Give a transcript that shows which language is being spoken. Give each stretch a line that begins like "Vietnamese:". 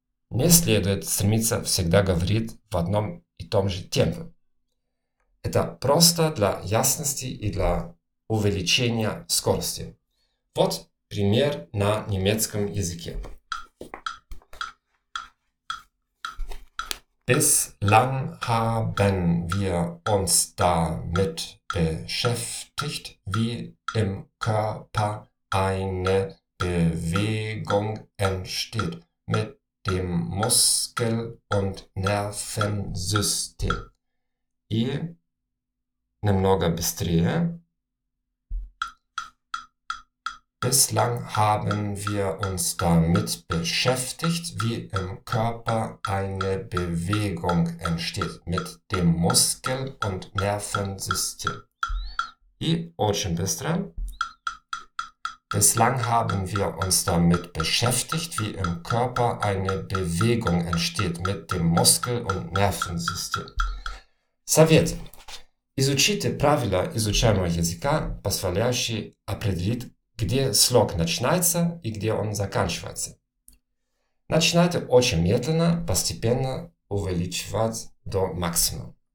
Russian: Не следует стремиться всегда говорить в одном и том же темпе. Это просто для ясности и для увеличения скорости. Вот пример на немецком языке.
German: Bislang haben wir uns damit beschäftigt, wie im Körper eine Bewegung entsteht mit dem Muskel- und Nervensystem.
Russian: И немного быстрее.
German: Bislang haben wir uns damit beschäftigt, wie im Körper eine Bewegung entsteht mit dem Muskel- und Nervensystem.
Russian: И очень быстро.
German: Bislang haben wir uns damit beschäftigt, wie im Körper eine Bewegung entsteht mit dem Muskel- und Nervensystem.
Russian: Совет. Изучите правила изучаемого языка, позволяющие определить, где слог начинается и где он заканчивается. Начинайте очень медленно, постепенно увеличивать до максимума.